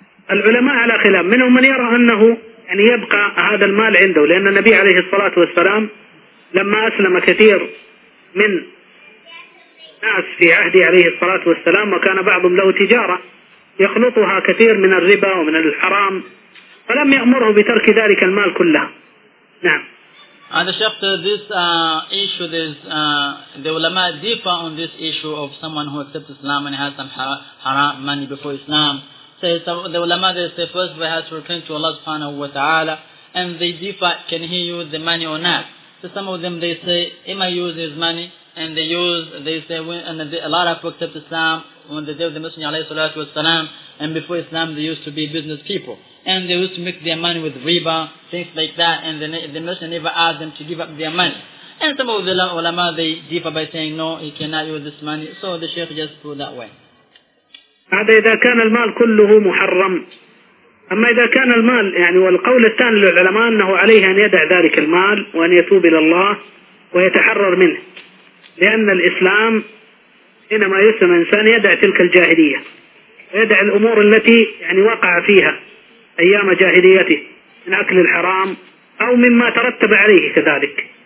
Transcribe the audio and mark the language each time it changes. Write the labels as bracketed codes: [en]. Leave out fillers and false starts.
[ar] العلماء على خلاف منهم من يرى أنه يعني يبقى هذا المال عنده لأن النبي عليه الصلاة والسلام لما أسلم كثير من الناس في عهده عليه الصلاة والسلام وكان بعضهم له تجارة يخلطها كثير من الربا ومن الحرام فلم يأمره بترك ذلك المال كله نعم هذا شخص [en] this issue this the ulama differ on this issue of someone who accepts Islam and has some haram money before Islam Say so the ulama they say first we have to return to Allah subhanahu wa ta'ala and they differ can he use the money or not. So some of them they say he might use his money and they use they say and a lot of accept Islam when the day of the Messenger alayhi salatu wa salam and before Islam they used to be business people and they used to make their money with riba, things like that, and the Messenger never asked them to give up their money. And some of the ulama they differ by saying no, he cannot use this money. So the Shaykh just put that way. [ar] هذا إذا كان المال كله محرم أما إذا كان المال يعني والقول الثاني للعلماء أنه عليه أن يدع ذلك المال وأن يتوب إلى الله ويتحرر منه لأن الإسلام حينما يسلم الإنسان يدع تلك الجاهلية ويدع الأمور التي يعني وقع فيها أيام جاهليته من أكل الحرام أو مما ترتب عليه كذلك